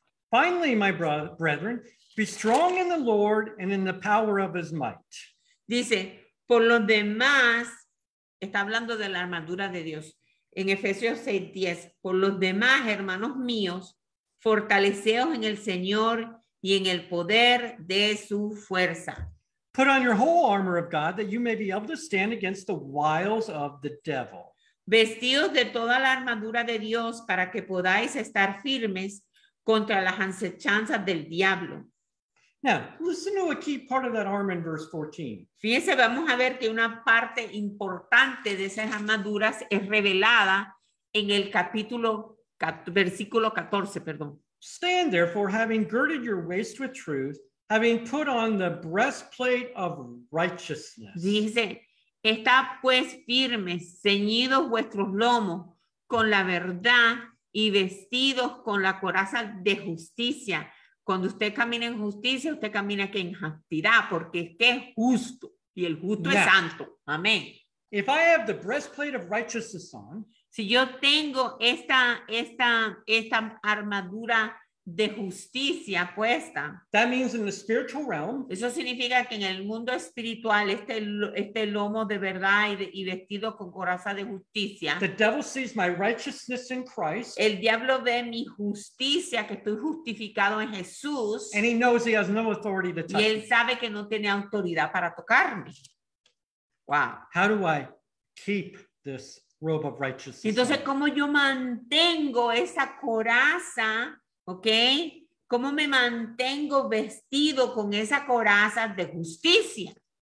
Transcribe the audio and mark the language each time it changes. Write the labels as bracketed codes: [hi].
[en] Finally, my brethren, be strong in the Lord and in the power of his might. [es] Dice, por lo demás, está hablando de la armadura de Dios. En Efesios 6:10, por los demás, hermanos míos, fortaleceos en el Señor y en el poder de su fuerza. [en] Put on your whole armor of God that you may be able to stand against the wiles of the devil. [es] Vestidos de toda la armadura de Dios para que podáis estar firmes contra las acechanzas del diablo. [en] Now, listen to a key part of that armor in verse 14. [es] Fíjense, vamos a ver que una parte importante de esas armaduras es revelada en el versículo 14, perdón. [en] Stand therefore, having girded your waist with truth, having put on the breastplate of righteousness. [es] Dice, está pues firme, ceñidos vuestros lomos con la verdad y vestidos con la coraza de justicia. Cuando usted camina en justicia, usted camina aquí en santidad, porque es que es justo y el justo es santo. Amén. [en] If I have the breastplate of righteousness on, [es] si yo tengo esta armadura de justicia puesta, [en] that means in the spiritual realm, [es] eso significa que en el mundo espiritual, este lomo de verdad y vestido con coraza de justicia, [en] the devil sees my righteousness in Christ, [es] el diablo ve mi justicia, que estoy justificado en Jesús, [en] and he knows he has no authority to touch [es] y él sabe que no tiene autoridad para tocarme. [en] Wow. How do I keep this robe of righteousness? [es] Entonces, ¿cómo yo mantengo esa coraza? ¿Ok? ¿Cómo me mantengo vestido con esa coraza de justicia?